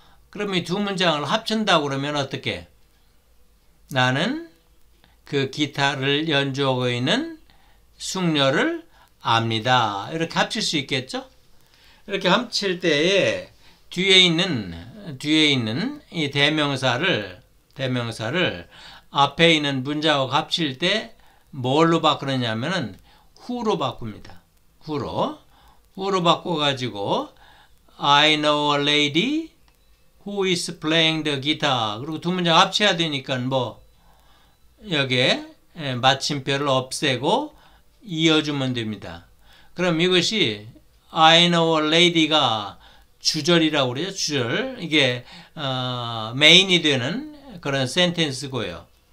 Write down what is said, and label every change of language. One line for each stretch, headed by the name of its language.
Korean: 그럼 이 두 문장을 합친다고 그러면 어떻게? 나는 그 기타를 연주하고 있는 숙녀를 압니다. 이렇게 합칠 수 있겠죠? 이렇게 합칠 때에 뒤에 있는 이 대명사를 앞에 있는 문장하고 합칠 때 뭘로 바꾸느냐면은 who로 바꿉니다. who로 바꿔가지고
English: I know a lady who is playing the guitar.
Korean: 그리고 두 문장 합쳐야 되니까 뭐 여기에 마침표를 없애고 이어주면 됩니다. 그럼 이것이
English: I know a lady
Korean: 가 주절이라고 그래요. 주절 이게 메인이 되는 그런 센텐스고요.